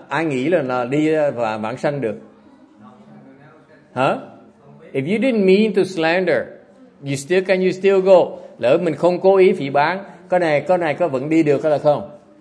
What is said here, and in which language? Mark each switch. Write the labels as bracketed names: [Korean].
[Vietnamese] Ai nghĩ là đi và vãng sanh được? Hả? [English] If you didn't mean to slander, you still can you still go? [Vietnamese] Lỡ mình không cố ý phỉ báng, cái này có vẫn đi được hay là không?